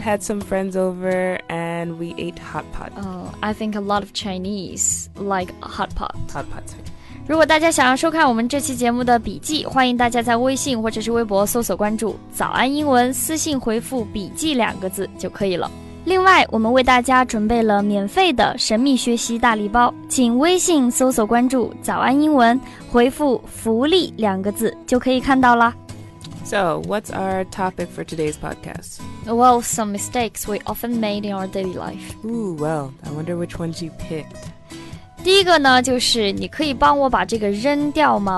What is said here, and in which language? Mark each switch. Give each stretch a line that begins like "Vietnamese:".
English: Had some friends over and we ate hot pot. I think a lot of Chinese like hot pot. Hot pot.
Chinese: 如果大家想要收看我们这期节目的笔记，欢迎大家在微信或者是微博搜索关注早安英文，私信回复笔记两个字就可以了。另外，我们为大家准备了免费的神秘学习大礼包，请微信搜索关注早安英文，回复福利两个字就可以看到了。
English: So, what's our topic for today's podcast? Well, some mistakes we often made in our daily life. Ooh, well, I wonder which ones you picked.
Chinese: 第一个呢，就是你可以帮我把这个扔掉吗？